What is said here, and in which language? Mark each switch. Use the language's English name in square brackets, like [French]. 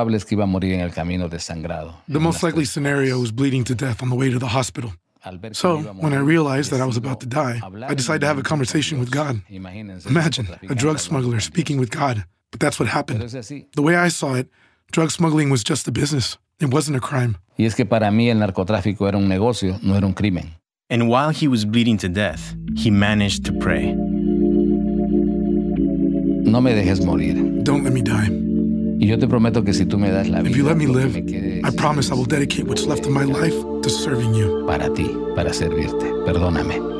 [English] The most likely scenario was bleeding to death on the way to the hospital. So when I realized that I was about to die, I decided to have a conversation with God. Imagine a drug smuggler speaking with God, but that's what happened. The way I saw it, drug smuggling was just a business. It wasn't a crime. [Spanish] Y es que para mí el narcotráfico era un negocio, no era un crimen. [English] And while he was bleeding to death, he managed to pray. [Spanish] No me dejes morir. [English] Don't let me die. [Spanish] Y yo te prometo que si tú me das la vida, [English] if you let me live, I promise I will dedicate what's left of my life to serving you. [Spanish] Para ti, para servirte. Perdóname.